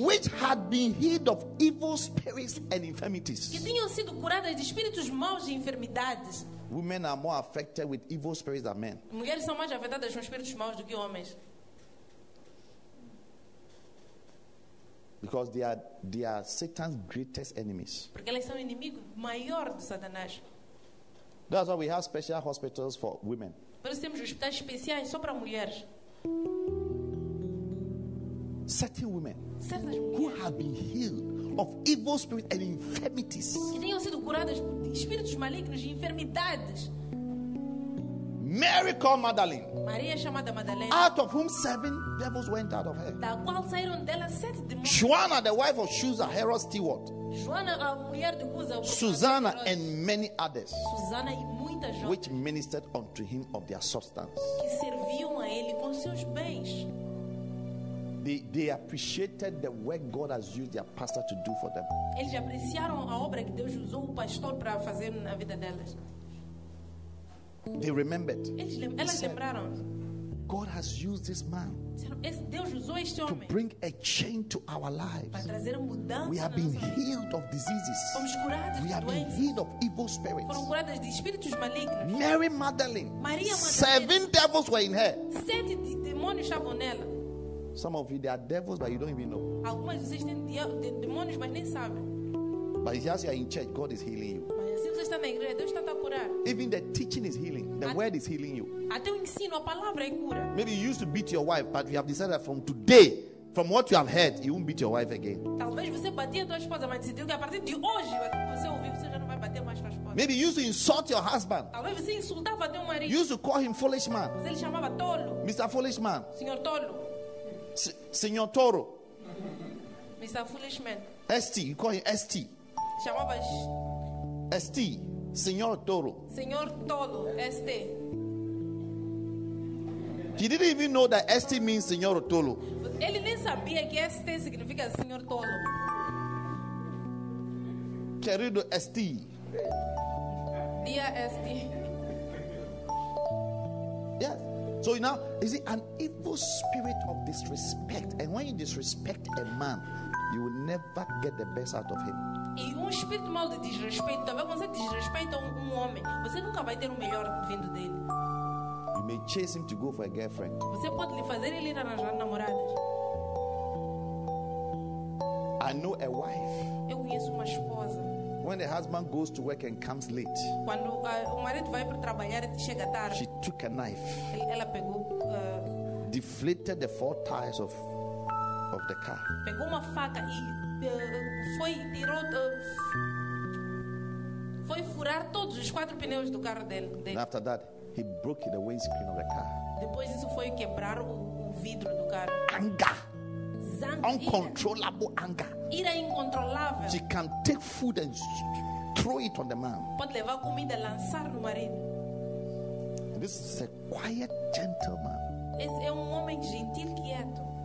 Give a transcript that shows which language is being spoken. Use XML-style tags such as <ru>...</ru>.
<en>which had been healed of evil spirits and infirmities.</en> <pt>Que tinham sido curadas de espíritos maus e enfermidades.</pt> <en>Women are more affected with evil spirits than men.</en> <pt>Mulheres são mais afetadas com espíritos maus do que homens.</pt> <en>Because they are Satan's greatest enemies.</en> <pt>Porque elas são o inimigo maior de Satanás.</pt> <en>That's why we have special hospitals for women.</en> <pt>Por isso temos hospitais especiais só para mulheres.</pt> <en>Certain women,</en> <pt>certas mulheres,</pt> <en>who have been healed of evil spirits and infirmities,</en> <pt>que tenham sido curadas de espíritos malignos e enfermidades.</pt> <en>Mary called Madeline.</en> <pt>Maria chamada Madalena.</pt> <en>Out of whom 7 devils went out of her.</en> <pt>Da qual saíram dela 7 demônios.</pt> <en>Joanna, the wife of Chuza, Herod's steward.</en> <pt>Joana, a mulher de Cusa,</pt> <en>Susanna, and many others.</en> <pt>Susanna e muitas outras.</pt> <en>Which ministered unto him of their substance.</en> <pt>Que serviam a ele com seus bens.</pt> <en>They appreciated the work God has used their pastor to do for them.</en> <pt>Eles apreciaram a obra que Deus usou o pastor para fazer na vida delas.</pt> <en>They remembered.</en> <pt>Elas lembraram.</pt> <en>God has used this man.</en> <pt>Deus usou este homem</pt> <en>to bring a change to our lives.</en> <pt>Para trazer mudança.</pt> <en>We have been healed of diseases.</en> <pt>Fomos curados de doenças.</pt> <en>We have been healed of evil spirits.</en> <pt>Foram curadas de espíritos malignos.</pt> <en>Mary Magdalene.</en> <pt>Maria Magdalena.</pt> <en>7 devils were in her.</en> <pt>7 demônios estavam nela.</pt> <en>Some of you, there are devils, but you don't even know.</en> <pt>Algumas vezes têm demônios, mas nem sabem.</pt> <en>But as you are in church, God is healing you. Even the teaching is healing. The word is healing you.</en> <pt>Até o ensino, a palavra é cura.</pt> <en>Maybe you used to beat your wife, but you have decided from today, from what you have heard, you won't beat your wife again.</en> <pt>Talvez você batia tua esposa, mas decidiu que a partir de hoje você ouviu, você já não vai bater mais tua esposa.</pt> <en>Maybe you used to insult your husband.</en> <pt>Talvez você insultava teu marido.</pt> <en>You used to call him foolish man.</en> <pt>Você lhe chamava tolo.</pt> <en>Mr. Foolish man.</en> <pt>Senhor tolo. Senhor Toro.</pt> <en>Mr. Foolish man. ST, you call him ST.</en> <pt>Chamavas ST, Senhor Toro. Senhor Toro, ST.</pt> <en>He didn't even know that ST means Senhor Toro.</en> <pt>Ele nem sabia que ST significa Senhor Toro. Querido ST.</pt> <en>Dear ST. Yes. So now, is it an evil spirit of disrespect? And when you disrespect a man, you will never get the best out of him.</en> <pt>E espírito mal de desrespeito, talvez você desrespeita um homem, você nunca vai ter o melhor vindo dele.</pt> <en>You may chase him to go for a girlfriend.</en> <pt>Você pode lhe fazer ele ir arranjar namoradas.</pt> <en>I know a wife.</en> <pt>Eu conheço uma esposa.</pt> <en>When the husband goes to work and comes late,</en> <pt>quando o marido vai para trabalhar e chega tarde,</pt> <en>she took a knife.</en> <pt>Ela pegou,</pt> <en>deflated the 4 tires of the car.</en> <pt>Pegou uma faca e foi furar todos os 4 pneus do carro dele.</pt> <en>And after that, he broke the windscreen of the car.</en> <pt>Depois disso foi quebrar o vidro do carro.</pt> <en>Anger.</en> <pt>Zanga.</pt> <en>Uncontrollable anger.</en> <pt>Ira incontrolável.</pt> <en>She can take food and throw it on the man.</en> <pt>Pode levar comida, lançar no marido.</pt> <en>And this is a quiet gentleman.</en> <pt>Esse é um homem gentil, quieto.</pt>